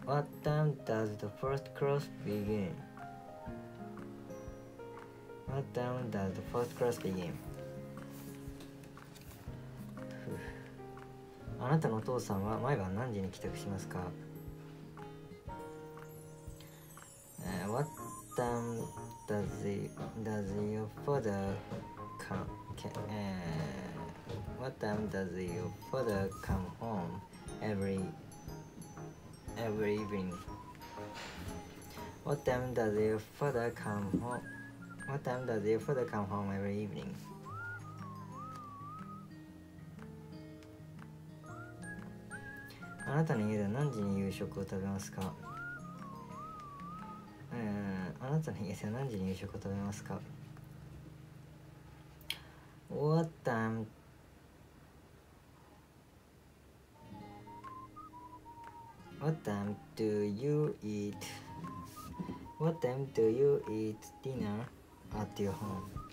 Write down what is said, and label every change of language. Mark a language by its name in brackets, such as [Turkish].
[English] What time does the first class begin? What time does the first class begin? [Japanese] あなたのお父さんは毎晩何時に帰宅しますか？ [English] What time does your father come home every evening? What time does your father come home? What time does your father come home every evening? [Japanese] あなたの家で何時に夕食を食べますか？あなたの家で何時に夕食を食べますか？ [English] What time What time do you eat What time do you eat dinner at your home?